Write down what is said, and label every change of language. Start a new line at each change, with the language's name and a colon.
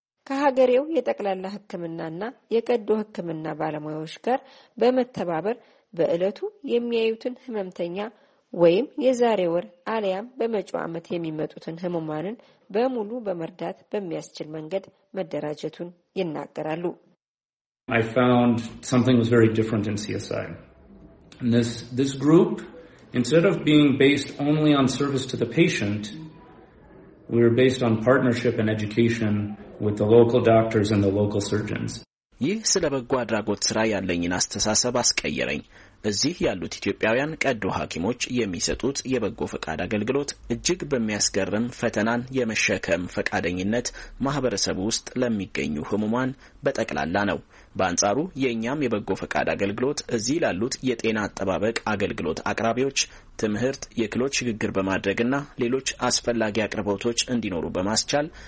Amharic: ከሀገሬው የጠቅላላ ሕክምናና የቀዶ ሕክምና ባለሙያዎች ጋር በመተባበር በእለቱ የሚያዩትን ህመምተኛ ወይም የዛሬ ወር አሊያም በመጪው ዓመት የሚመጡትን ህሙማንን በሙሉ በመርዳት በሚያስችል መንገድ መደራጀቱን ይናገራሉ።
English: I found something was very different in CSI. And this group, instead of being based only on service to the patient, we were based on partnership and education with the local doctors and the local surgeons.
Amharic: ይህ ስለ በጎ አድራጎት ስራ ያለኝን አስተሳሰብ አስቀየረኝ። እዚህ ያሉት ኢትዮጵያውያን ቀዶ ሐኪሞች የሚሰጡት የበጎ ፈቃድ አገልግሎት እጅግ በሚያስገርም ፈተናን የመሸከም ፈቃደኝነት ማህበረሰብ ውስጥ ለሚገኙ ህሙማን በጠቅላላ ነው። በአንጻሩ የኛም የበጎ ፈቃድ አገልግሎት እዚህ ላሉት የጤና አጠባበቅ አገልግሎት አቅራቢዎች ትምህርት የክሎች ሽግግር በማድረግና ሌሎች አስፈላጊ አቅርቦቶች እንዲኖሩ በማስቻል